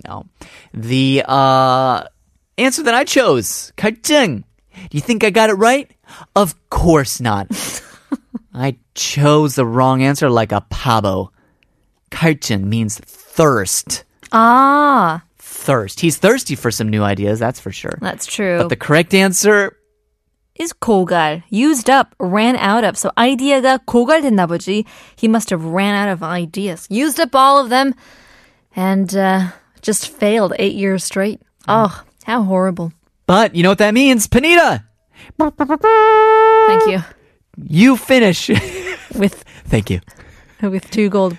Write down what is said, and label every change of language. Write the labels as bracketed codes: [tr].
[en] No. The answer that I chose, 갈증. Do you think I got it right? Of course not. I chose the wrong answer like a pabo. 갈증 means thirst. Ah. Thirst. He's thirsty for some new ideas, that's for sure. That's true. But the correct answer is 고갈. Used up, ran out of. [ko] So 아이디어가 고갈 됐나 보지. [en] He must have ran out of ideas. Used up all of them and just failed 8 years straight. Mm. Oh, how horrible. But you know what that means, Panita. Thank you. You finish. With. Thank you. With 2 gold.